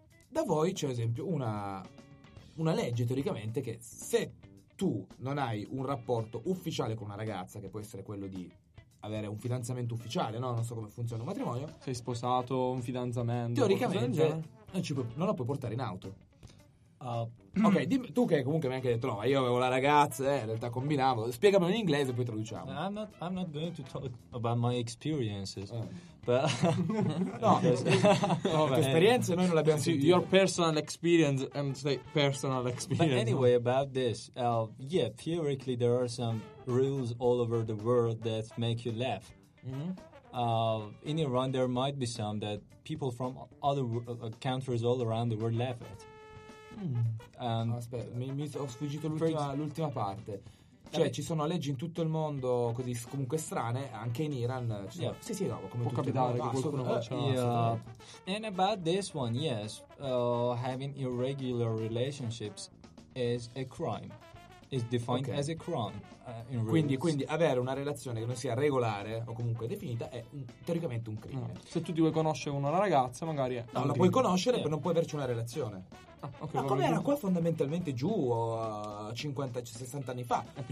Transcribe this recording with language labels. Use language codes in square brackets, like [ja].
[it] Da voi c'è, ad esempio, una legge, teoricamente, che se tu non hai un rapporto ufficiale con una ragazza, che può essere quello di avere un fidanzamento ufficiale, no? Non so come funziona un matrimonio. Sei sposato, un fidanzamento... Teoricamente non la puoi portare in auto. Ok, dimmi, tu che comunque mi hai anche detto, no, ma io avevo la ragazza, in realtà combinavo. Spiegami in inglese e poi traduciamo. [en] I'm not going to talk about my experiences. But, [it] no, vabbè, esperienze noi non le abbiamo sentite. [en] Your personal experience and say personal experience. But anyway, about this, yeah, theoretically there are some rules all over the world that make you laugh. Mm-hmm. In Iran there might be some that people from other countries all around the world laugh at. [it] Aspetta, mi ho sfuggito l'ultima parte. Cioè, ci sono leggi in tutto il mondo così comunque strane, anche in Iran. Cioè, [en] yeah. [it] Sì, no, come può capitare che qualcuno faccia. [en] And about this one, yes, having irregular relationships as a crime. Is defined okay. as a crime. In [it] quindi avere una relazione che non sia regolare o comunque definita è teoricamente un crimine. No. Se tu ti vuoi conoscere una ragazza, magari è. No, la puoi conoscere, ma non puoi averci una relazione. Ah, okay, ma come era qua fondamentalmente giù 50, 60 anni fa?